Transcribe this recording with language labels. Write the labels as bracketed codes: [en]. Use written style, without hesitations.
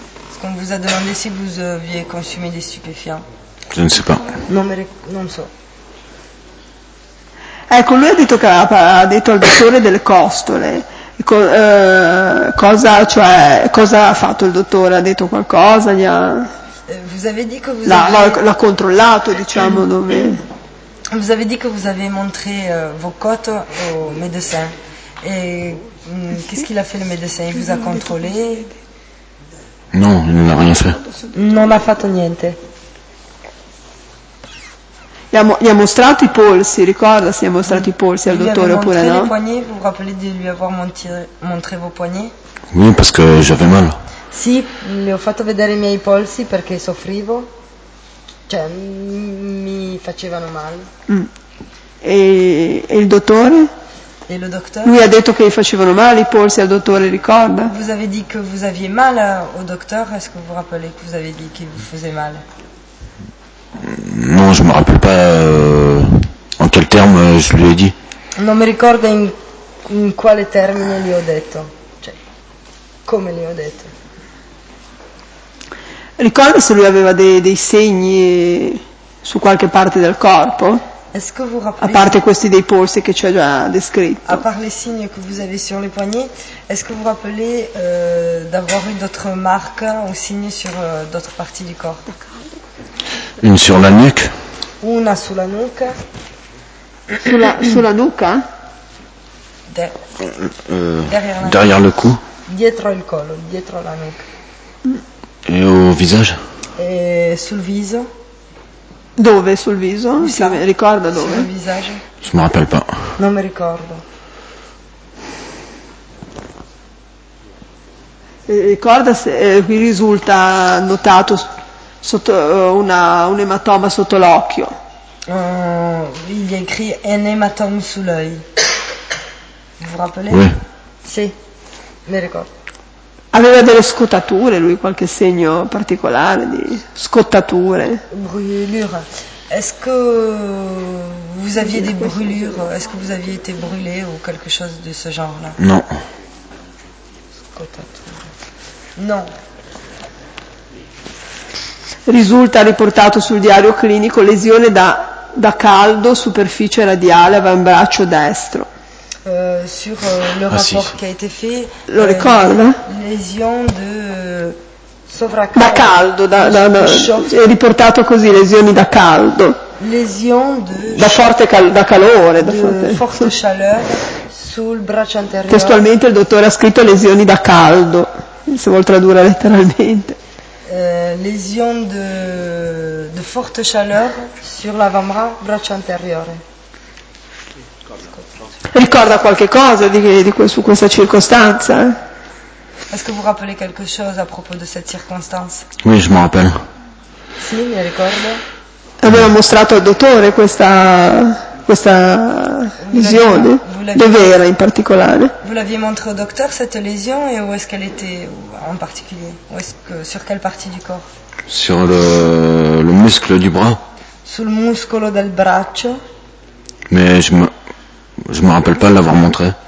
[fr] Est-ce qu'on vous a demandé si vous aviez consommé des stupéfiants? Je ne sais pas. [it] Non, mais non, so. Ecco, lui ha detto al dottore delle costole. Cosa ha fatto il dottore? Ha detto qualcosa? Gli ha... [fr] Vous avez dit que vous avez... [it] L'ha controllato, diciamo, dove... [fr] Vous avez dit que vous avez montré vos côtes au médecin. Et qu'est-ce qu'il a fait le médecin? Il vous a contrôlé? Non, il n'a rien fait. [it] Non ha fatto niente. Gli ha mostrato i polsi, ricorda si è mostrato i polsi al dottore oppure no? [fr] Les poignets, vous vous rappelez de lui avoir montré vos poignets? Oui, parce que j'avais mal. [it] Si, le ho fatto vedere i miei polsi perché soffrivo. Cioè, mi facevano male. E il dottore? E lo dottore? Lui ha detto che gli facevano male i polsi al dottore, ricorda? [fr] Vous avez dit que vous aviez mal au docteur, est-ce que vous rappelez que vous avez dit qu'il vous faisait mal? Non, je me rappelle pas en quel terme je lui ai dit. [it] Non mi ricordo in quale termine gli ho detto. Cioè, come gli ho detto. Ricorda se lui aveva dei segni su qualche parte del corpo? [fr] Est-ce que vous rappelez, [it] a parte questi dei polsi che ci ha già descritto. [fr] A part les signes que vous avez sur les poignets, est-ce que vous vous rappelez d'avoir eu d'autres marques ou signes sur d'autres parties du corps? Une sur la nuque. [it] Una sulla nuca. Sulla nuca? [fr] Derrière le cou. [it] Dietro il collo, dietro la nuca. [fr] Et au visage? [it] Et sul viso? Dove sul viso? Si, ricorda dove? [fr] Sul visage. Je me rappelle pas. [it] Non mi ricordo. Ricorda se qui risulta notato sotto un ematoma sotto l'occhio. [fr] Il est écrit un hématome sous l'œil. Vous vous rappelez? Oui. [it] Sì, mi ricordo. Aveva delle scottature lui, qualche segno particolare di scottature. [fr] Brûlure. Est-ce que vous aviez des brûlures? Est-ce que vous aviez été brûlé ou quelque chose de ce genre-là? Non. [it] Scottature. Non. Risulta riportato sul diario clinico lesione da caldo, superficie radiale, avambraccio destro. [fr] Sur le rapport qui a été fait. [it] Lo ricorda? Lesione de sovraccaldo. Da caldo, è riportato così, lesioni da caldo. Lesione de da calore, [fr] forte chaleur [it] sul braccio anteriore. Testualmente il dottore ha scritto lesioni da caldo, se vuol tradurre letteralmente. [fr] Lesione de forte chaleur sur l'avambras, [it] braccio anteriore. Ricorda qualche cosa su questa circostanza? [fr] Est-ce que vous rappelez quelque chose à propos de cette circonstance? Oui, je m'en rappelle. [it] Sì, mi ricordo. Aveva mostrato al dottore questa lesione? Dove era in particolare? [fr] Vous l'aviez montré au docteur cette lésion et où est-ce qu'elle était en particulier? Où est-ce que, sur quelle partie du corps? Sur le muscle du bras. [it] Sul muscolo del braccio. [fr] Mais je me rappelle pas l'avoir montré.